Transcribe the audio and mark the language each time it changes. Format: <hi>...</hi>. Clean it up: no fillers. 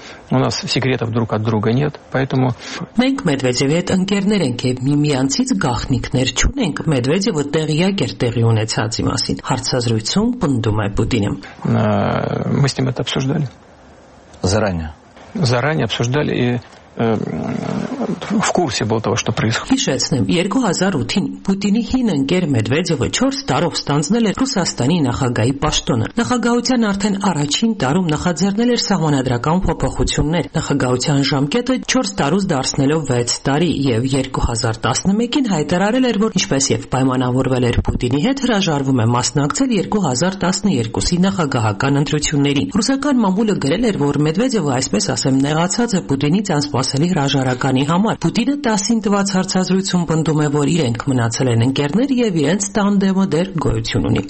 <ru>У нас секретов друг от друга нет, поэтому...</ru> <hy>Մենք Մեդվեդևի հետ ընկերներ ենք և միմյանցից գաղտնիքներ չունենք Մեդվեդևը տեղյակ էր տեղի ունեցածի մասին։ Հարցազրույցում պնդում է Պուտինը.</hy> <ru>Мы с ним это обсуждали. Заранее обсуждали и... в курсе был того, что происходит.</ru> <hy>Հիշեցնեմ, 2008-ին Պուտինի հին ընկեր Մեդվեդևը 4 տարով ստանձնել էր Ռուսաստանի նախագահի պաշտոնը։ Նախագահության արդեն առաջին տարում նախաձեռնել էր սահմանադրական փոփոխություններ։ Նախագահության ժամկետը 4 տարուց դարձնելով 6 տարի և 2011-ին հայտարարել էր, որ ինչպես և պայմանավորվել էր Պուտինի հետ, հրաժարվում է մասնակցել 2012-ի նախագահական ընտրությունների։ Ռուսական մամուլը գրել էր, որ Մեդվեդևը, այսպես ասեմ, նեղացած է Պուտինից անսպասելի հրաժարականի համար։ Պուտինը 10-ին տված հարցազրույցում պնդում է, որ իրենք մնացել են ընկերներ և իրենց տանդեմը դեռ գոյություն ունի։</hy>